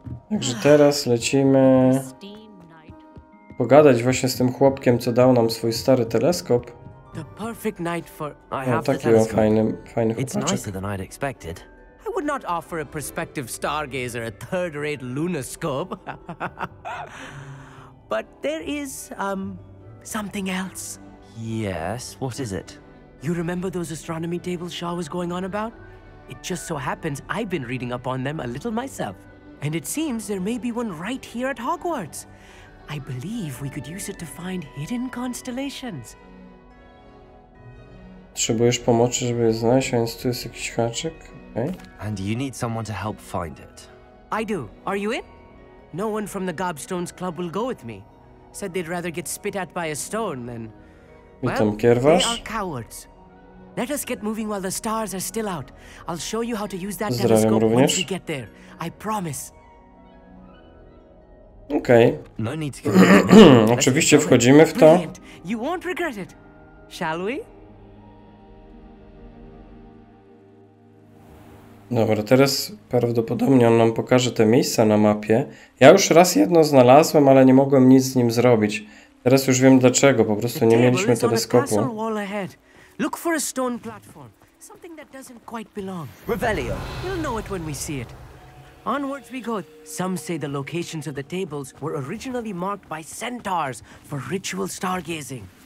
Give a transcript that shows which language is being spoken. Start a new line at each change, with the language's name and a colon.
Polish: Także teraz lecimy pogadać właśnie z tym chłopkiem, co dał nam swój stary teleskop. No, taki on fajny chłopaczek.
English: I would not offer a prospective stargazer a third-rate lunoscope. But there is something else. Yes, what is it? You remember those astronomy tables Shaw was going on about? It just so happens I've been reading up on them a little myself. And it seems there may be one right here at Hogwarts. I believe we could use it to find hidden constellations.
Polish: Potrzebujesz pomocy, żeby je znaleźć, więc tu jest jakiś haczyk, okej.
English: And you need someone to help find it. I do. Are you in? No one from the Gobstones Club will go with me. Said they'd rather get spit at by a stone than... Well, they are cowards. Let us get moving while the stars are still out. I'll show you how to use that telescope once we get there. I promise. Okay. No need to.
Polish: Oczywiście wchodzimy w to.
English: You won't regret it. Shall we?
Polish: Dobra, teraz prawdopodobnie on nam pokaże te miejsca na mapie. Ja już raz jedno znalazłem, ale nie mogłem nic z nim zrobić. Teraz już wiem dlaczego. Po prostu nie mieliśmy teleskopu.
English: Look for a stone platform, something that doesn't quite belong. Revelio. You'll know it when we see it. Onwards we go. Some say the locations of the tables were originally marked by centaurs for ritual stargazing.